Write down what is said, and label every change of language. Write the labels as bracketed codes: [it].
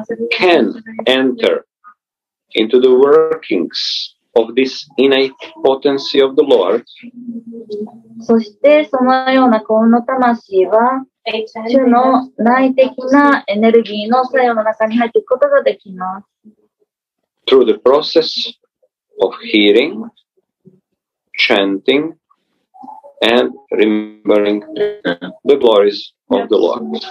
[en] Can enter into the workings of this innate potency of the Lord. [ja] そしてそのような幸運な魂は、主の内的なエネルギーの作用の中に入っていくことができます。 [en] Through the process of hearing, chanting, and remembering the glories of the Lord.